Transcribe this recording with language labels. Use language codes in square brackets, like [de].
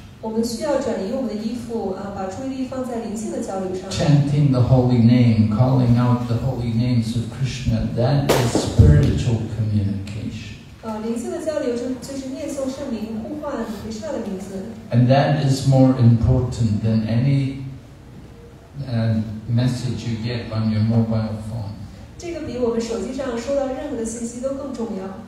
[zh] 我们需要转移我们的衣服, 啊, 把注意力放在灵性的交流上, [en] chanting the holy name, calling out the holy names of Krishna, that is spiritual communication. [zh] 啊, 灵性的交流就是念诵圣名, 呼唤Krishna的名字, [en] and that is more important than any message you get on your mobile phone. [zh] 这个比我们手机上收到任何的信息都更重要。